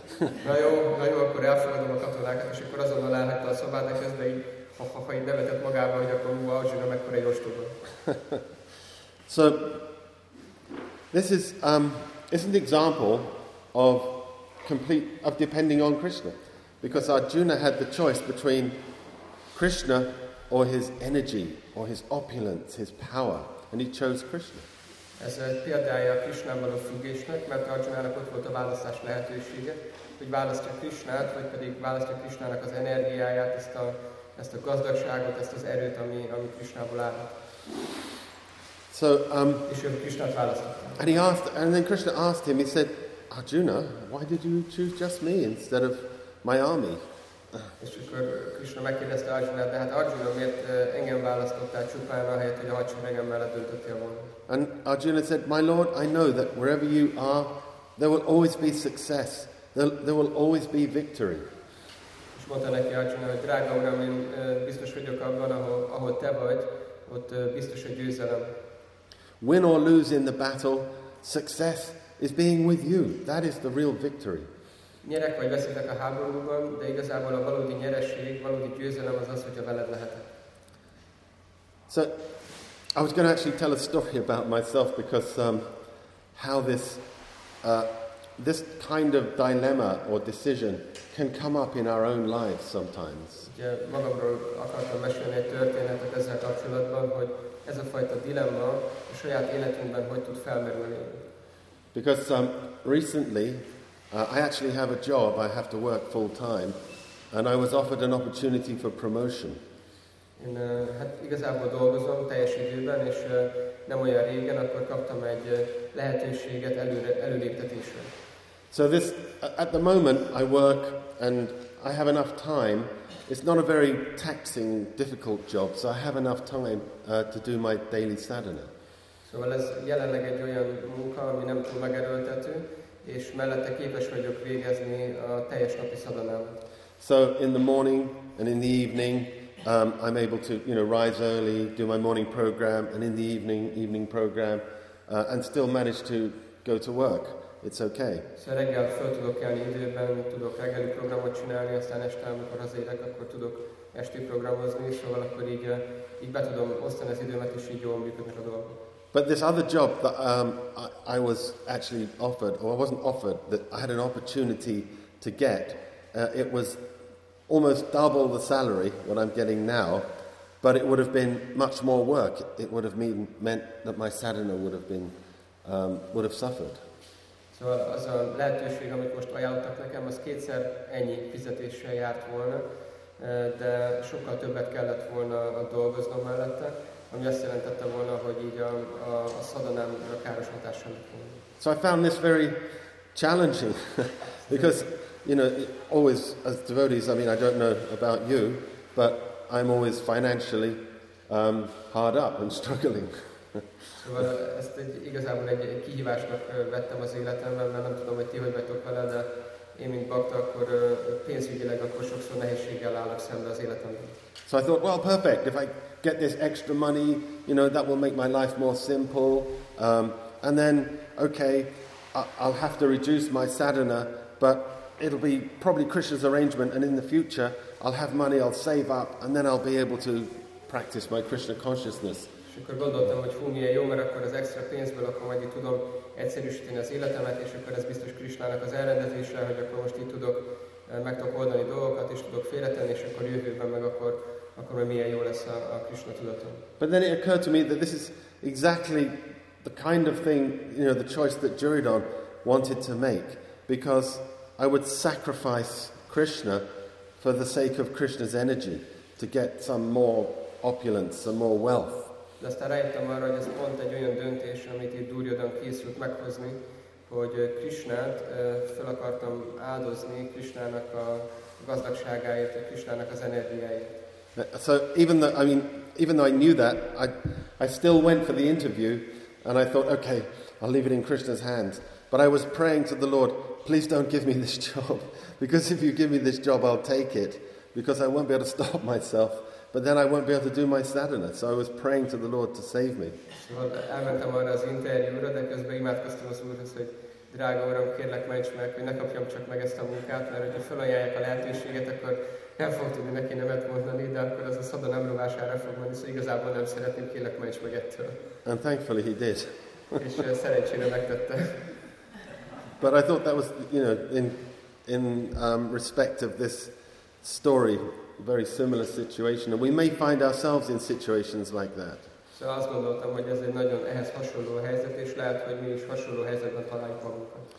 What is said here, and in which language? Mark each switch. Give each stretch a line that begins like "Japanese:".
Hungarian: Na jó, akkor elfogadom a katonákat, és akkor azonnal elhagyta a szobát, de közben így nevetett magában, hogy akkor Arjuna mekkora egy ostoba.
English: So, this is it's an example of complete of depending on Krishna, because Arjuna had the choice between Krishna or his energy or his opulence, his power, and he chose Krishna.
Hungarian: Ez egy példája Krishnával a függésnek, mert Arjunának ott volt a választás lehetősége, hogy választja Krishnát, vagy pedig választja Krishnának az energiáját, ezt a gazdagságot, ezt az erőt, ami Krishnából áll.
English: So
Hungarian: és ő Krishnát választotta.
English: And he asked, and then Krishna asked him. He said, Arjuna, why did you choose just me instead of my army?
Hungarian: És akkor Krishna megkérdezte Arjunát, de hát Arjuna, miért engem választottál csupán, ahelyett, hogy a hadseregem mellett döntöttél volna?
English: And Arjuna said, my lord, I know that wherever you are, there will always be success. There will always be victory.
Hungarian: És mondta neki Arjuna, hogy drága uram, én biztos vagyok abban, ahol te vagy, ott biztos a győzelem.
English: Win or lose in the battle, success is being with you. That is the real victory.
Hungarian: Nyerek vagy veszítek a háborúban, de igazából a valódi nyeresség, valódi győzelem az az, hogyha veled lehetek.
English: So, I was going to actually tell a story about myself because how this kind of dilemma or decision can come up in our own lives sometimes.
Hungarian: Ugye magamról akartam mesélni egy történetet ezzel kapcsolatban, hogy ez a fajta dilemma a saját életünkben hogy tud felmerülni.
English: Because recently, I actually have a job, I have to work full-time, and I was offered an opportunity for promotion.
Hungarian: Én hát igazából dolgozom teljes időben, és nem olyan régen, akkor kaptam egy lehetőséget előléptetésre.
English: So this, at the moment, I work and I have enough time. It's not a very taxing, difficult job, so I have enough time to do my daily sadhana.
Hungarian: Szóval ez jelenleg egy olyan munka, ami nem túl megerőltető, és mellette képes vagyok végezni a teljes napi szadanám.
English: So in the morning and in the evening, I'm able to, you know, rise early, do my morning program, and in the evening program, and still manage to go to work. It's okay.
Hungarian: So reggel föl tudok kelni időben, tudok reggeli programot csinálni, aztán este, amikor hazaérek, akkor tudok esti programozni, szóval akkor így be tudom osztani az időmet, és így jól működnek a dolgok.
English: But this other job that I was actually offered, or I wasn't offered, that I had an opportunity to get, it was almost double the salary, what I'm getting now, but it would have been much more work. It would have meant that my sadhana would have suffered.
Hungarian: So az a lehetőség, amit most ajánlottak nekem, az kétszer ennyi fizetéssel járt volna, de sokkal többet kellett volna dolgoznom mellette. Ami azt jelentette volna, hogy így a szadanám a káros hatással lett volna.
English: So I found this very challenging, because, you know, always as devotees, I mean, I don't know about you, but I'm always financially hard up and struggling.
Hungarian: Szóval ezt igazából egy kihívásnak vettem az életemben, mert nem tudom, hogy ti hogy vagytok vele, de én, mint bakta, akkor pénzügyileg akkor sokszor nehézséggel állok szembe az életemben.
English: So I thought, well, perfect, if I get this extra money, you know, that will make my life more simple. And then, okay, I'll have to reduce my sadhana, but it'll be probably Krishna's arrangement, and in the future, I'll have money, I'll save up, and then I'll be able to practice my Krishna consciousness.
Hungarian: És akkor gondoltam, hogy hú, milyen jó, mert akkor az extra pénzből akkor majd itt tudom egyszerűsíteni az életemet, és akkor ez biztos Krishnának az elrendezésre, hogy akkor most itt tudok, meg tudok oldani dolgokat, és tudok félretenni, és akkor jövőben meg akkor milyen jó lesz a Krishna tudatom.
English: But then it occurred to me that this is exactly the kind of thing, you know, the choice that Duryodhan wanted to make, because I would sacrifice Krishna for the sake of Krishna's energy to get some more opulence, some more wealth.
Hungarian: De aztán rájöttem arra, hogy ez pont egy olyan döntés, amit itt Duryodhan készült meghozni, hogy Krishnát fel akartam áldozni Krishnának a gazdagságáért, Krishnának az energiáért.
English: So even though I knew that, I still went for the interview, and I thought, okay, I'll leave it in Krishna's hands. But I was praying to the Lord, please don't give me this job, because if you give me this job, I'll take it, because I won't be able to stop myself, but then I won't be able to do my sadhana. So I was praying to the Lord to save me.
Hungarian: Elmentem arra az interjúra, de közben imádkoztam az Úrhoz, hogy drága Uram, kérlek, menj meg, hogy ne kapjam csak meg ezt a munkát, mert ha felajánlják a lehetőséget, akkor nem fog tudni neki nemet mondani, de akkor ez a szadanám rovására fog menni, szóval igazából nem szeretném, kérlek, menj meg ettől.
English: And thankfully he did.
Hungarian: És szerencsére megtette.
English: But I thought that was, you know, in respect of this story, a very similar situation, and we may find ourselves in situations like that.
Hungarian: So azt gondoltam, hogy ez egy nagyon ehhez hasonló helyzet, és lehet, hogy mi is hasonló helyzetben találjuk magunkat.